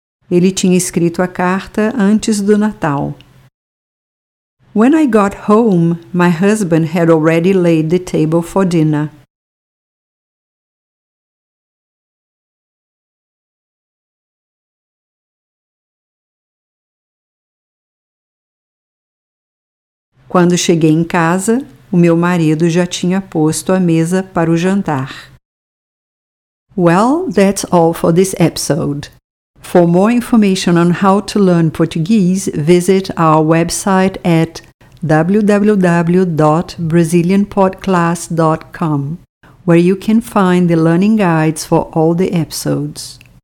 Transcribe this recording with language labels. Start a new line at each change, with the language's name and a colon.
Portuguese: Ele tinha escrito a carta antes do Natal.
English: When I got home, my husband had already laid the table for dinner.
Portuguese: Quando cheguei em casa, o meu marido já tinha posto a mesa para o jantar.
English: Well, that's all for this episode. For more information on how to learn Portuguese, visit our website at www.brazilianpodclass.com, where you can find the learning guides for all the episodes.